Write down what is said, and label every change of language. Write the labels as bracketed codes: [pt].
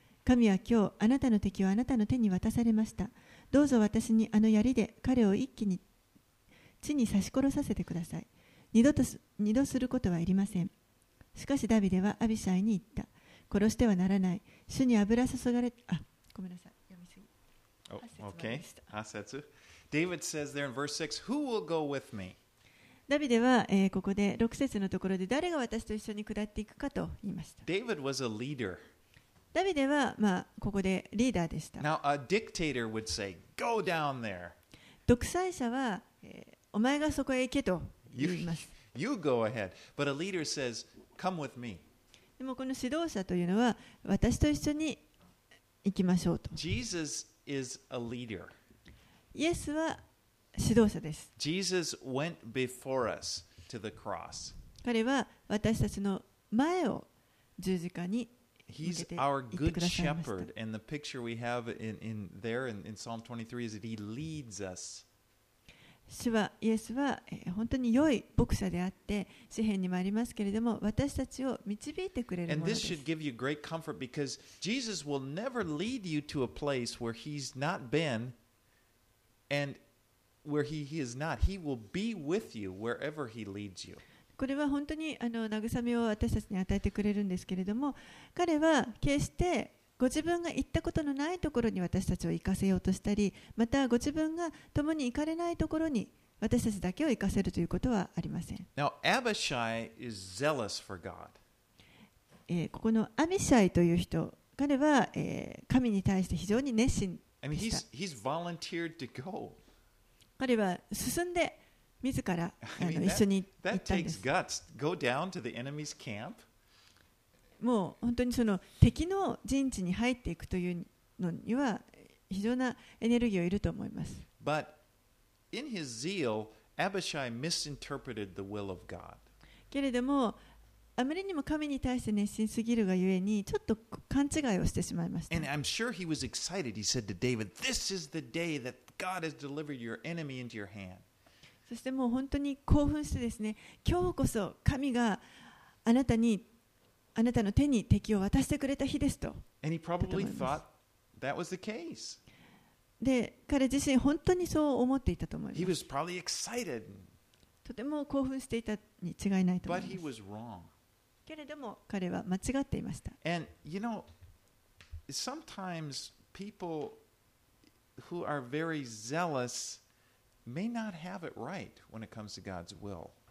[ja] 神は今日あなたの敵をあなたの手に渡されました。どうぞ私にあの槍で彼を一気に地に刺し殺させてください。二度することはいりません。しかしダビデはアビシャイに言った。殺してはならない。主に油注がれ、あ、ごめんなさい。読みすぎ。 8節。 [en] David says there in verse 6, Who will go with me? [ja] ダビデは、ここで6節のところで誰が私と一緒に下っていくかと言いました。 [en] David was a leader. [ja] ダビデは、まあ、ここでリーダーでした。 [en] Now, a dictator would say, Go down there. [ja] 独裁者は、お前がそこへ行けと言います。 [en] You go ahead. But a leader says, Come with me. [ja] でもこの指導者というのは私と一緒に行きましょうと。 [en] Jesus is a leader. [ja] イエスは指導者です。 [en] Jesus went before us to the cross. [ja] 彼は私たちの前を十字架に [en] He's our good shepherd. And the picture we have in there in Psalm 23 is that he leads us. [ja] 主はイエスは本当に良い牧者であって詩編にもありますけれども私たちを導いてくれるものです。 [en] And this should give you great comfort because Jesus will never lead you to a place where he's not been and where he is not. He will be with you wherever he leads you. [ja] これは本当に慰めを私たちに与えてくれるんですけれども彼は決してご自分が行ったことのないところに私たちを行かせようとしたりまたご自分が共に行かれないところに私たちだけを行かせるということはありません。 [en] Now, Abishai is zealous for God. [ja] ここのアビシャイという人彼は、神に対して非常に熱心でした。 [en] I mean, he's volunteered to go. [ja] 彼は進んで自ら一緒に行ったんです。 [en] That takes guts. Go down to the enemy's camp. [ja] もう本当にその敵の陣地に入っていくというのには非常なエネルギーをいると思います。 [en] But in his zeal, Abishai misinterpreted the will of God. [ja] けれどもあまりにも神に対して熱心すぎるがゆえにちょっと勘違いをしてしまいました。 [en] And I'm sure he was excited. He said to David, "This is the day that God has delivered your enemy into your hand." [ja] そしてもう本当に興奮してですね、今日こそ神があなたにあなたの手に敵を渡してくれた日ですと。 [en] And he probably thought that was the case. [ja] で、彼自身本当にそう思っていたと思います。 [en] He was probably excited. [ja] とても興奮していたに違いないと思います。 [en] But he was wrong. [ja] けれども彼は間違っていました。 [en] And you know, sometimes people who are very zealous may not have it right when it comes to God's will.